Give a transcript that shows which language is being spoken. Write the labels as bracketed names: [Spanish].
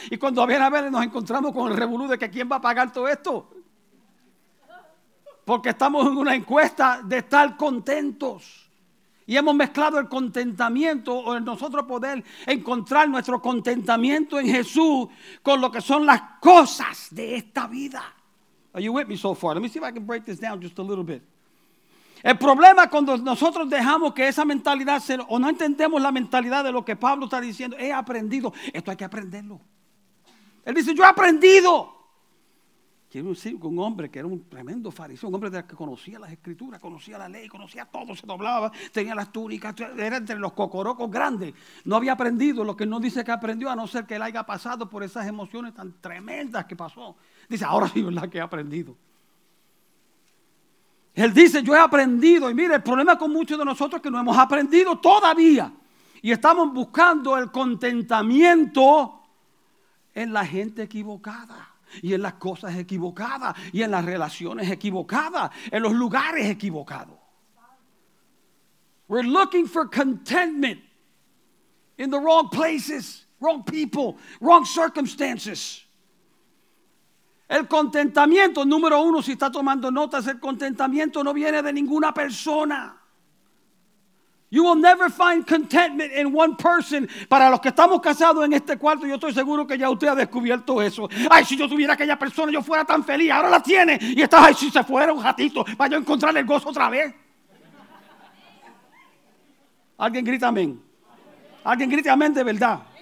[Spanish] Y cuando viene a ver nos encontramos con el revolú de que quién va a pagar todo esto. Porque estamos en una encuesta de estar contentos. Y hemos mezclado el contentamiento o el nosotros poder encontrar nuestro contentamiento en Jesús con lo que son las cosas de esta vida. [English] Are you with me so far? Let me see if I can break this down just a little bit. [Spanish] El problema cuando nosotros dejamos que esa mentalidad se, o no entendemos la mentalidad de lo que Pablo está diciendo, he aprendido. Esto hay que aprenderlo. Él dice, yo he aprendido. Quiero decir que un hombre que era un tremendo fariseo, un hombre que conocía las escrituras, conocía la ley, conocía todo, se doblaba, tenía las túnicas, era entre los cocorocos grandes. No había aprendido lo que no dice que aprendió, a no ser que él haya pasado por esas emociones tan tremendas que pasó. Dice, ahora sí, ¿verdad que he aprendido? Él dice, yo he aprendido. Y mire, el problema con muchos de nosotros es que no hemos aprendido todavía. Y estamos buscando el contentamiento en la gente equivocada. Y en las cosas equivocadas, y en las relaciones equivocadas, en los lugares equivocados. [English] We're looking for contentment in the wrong places, wrong people, wrong circumstances. [Spanish] El contentamiento, número uno, si está tomando notas, el contentamiento no viene de ninguna persona. [English] You will never find contentment in one person. [Spanish] Para los que estamos casados en este cuarto, yo estoy seguro que ya usted ha descubierto eso. Ay, si yo tuviera aquella persona, yo fuera tan feliz. Ahora la tiene. Y está, ay, si se fuera un ratito, para yo encontrar el gozo otra vez. Alguien grita amén. Alguien grita amén de verdad.